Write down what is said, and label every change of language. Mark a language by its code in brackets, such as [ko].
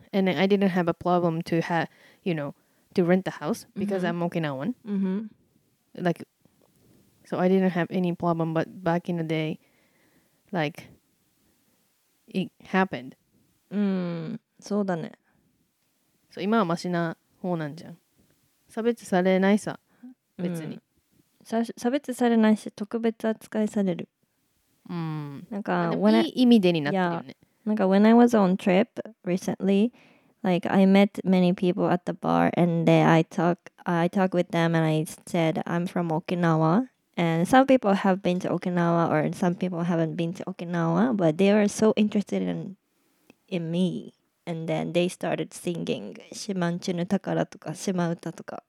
[en] And then I didn't have a problem to have, you know, to rent the house because、mm-hmm. I'm Okinawan.、 Mm-hmm. Like, so I didn't have any problem. But back in the day, like, it happened. [ja] うん、そうだね。そう、今はマシな方なんじゃん。差別されないさ、別に、うん、差別されないし特別扱いされる、うん、なんかいい意味でになってるよね、 [en] yeah. なんか When I was on trip recently, like I met many people at the bar and they, I talk with them and I said I'm from Okinawa and some people have been to Okinawa or some people haven't been to Okinawa but they were so interested in meAnd then they started singing 島んちの宝とか島歌とか、